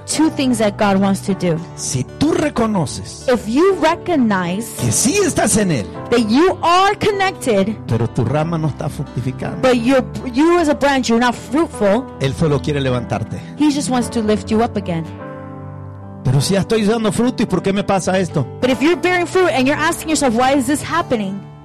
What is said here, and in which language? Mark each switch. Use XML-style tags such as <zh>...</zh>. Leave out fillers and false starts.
<en>Two things that God wants to do.</en> <es>Si tú reconoces.</es> <en>If you recognize.</en> <es>Que sí estás en él.</es> <en>That you are connected.</en> <es>Pero tu rama no está fructificando.</es> <en>But you as a branch, you're not fruitful.</en> <es>Él solo quiere levantarte.</es> <en>He just wants to lift you up again.</en> <es>Pero si ya estoy dando fruto, ¿y por qué me pasa esto?</es> <en>But if you're bearing fruit and you're asking yourself, why is this happening?</en>